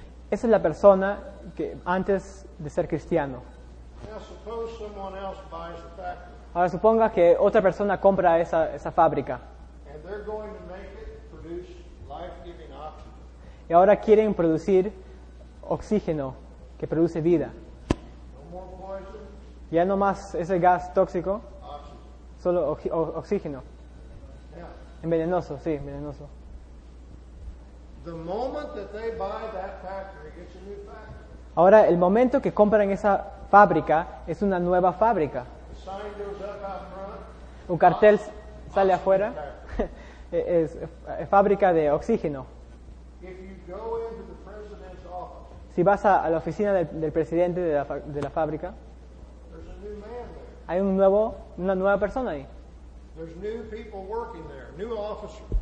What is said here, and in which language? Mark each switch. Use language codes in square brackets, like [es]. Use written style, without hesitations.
[es] Esa es la persona que antes de ser cristiano. [en] Now, suppose someone else buys the factory. [es] Ahora suponga que otra persona compra esa fábrica. [en] And they're going to make it produce life-giving oxygen. [es] Y ahora quieren producir oxígeno que produce vida. [en] No more poison, [es] ya no más ese gas tóxico, [en] oxygen. [es] Solo oxígeno. [en] Yeah. [es] Envenenoso, sí, envenenoso. [en] The moment that they buy that factory, it's a new factory. [es] Ahora, el momento que compran esa fábrica es una nueva fábrica. [en] The sign goes up out front. [es] Un cartel sale afuera. es fábrica de oxígeno. [en] If you go into the president's office, [es] si vas a la oficina del presidente de la fábrica, [en] there's a new man there. [es] Hay una nueva persona ahí. [en] There's new people working there, new officers.